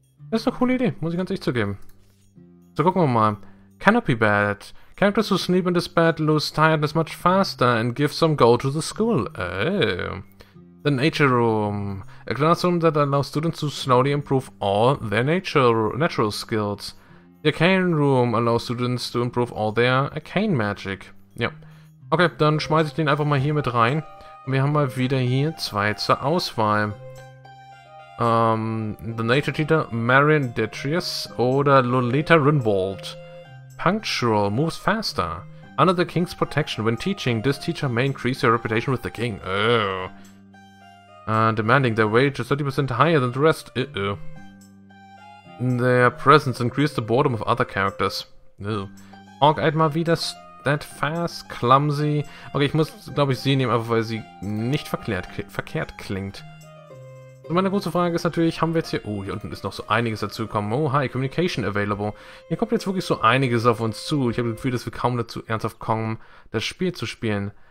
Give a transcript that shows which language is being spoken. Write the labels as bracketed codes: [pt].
[de] Das ist eine coole Idee, muss ich ganz ehrlich zugeben. So, gucken wir mal. Canopy Bed. [en] Characters who sleep in this bed lose tiredness much faster and give some gold to the school. Oh. The Nature Room. A classroom that allows students to slowly improve all their natural skills. The Arcane Room allows students to improve all their arcane magic. Yep. [de] Okay, dann schmeiße ich den einfach mal hier mit rein. Und wir haben mal wieder hier zwei zur Auswahl. [en] The Nature Teacher, Marion Detrius oder Lolita Rinwald. Punctual, moves faster. Under the King's protection, when teaching, this teacher may increase your reputation with the King. Demanding their wage is 30% higher than the rest. Their presence increases the boredom of other characters. Hawk-Eyed [de] mal wieder. [en] That fast, clumsy. [de] Okay, ich muss, glaube ich, sie nehmen, einfach weil sie nicht verkehrt klingt. So, meine große Frage ist natürlich, haben wir jetzt hier... Oh, hier unten ist noch so einiges dazu gekommen. [en] Oh, hi, communication available. [de] Hier kommt jetzt wirklich so einiges auf uns zu. Ich habe das Gefühl, dass wir kaum dazu ernsthaft kommen, das Spiel zu spielen.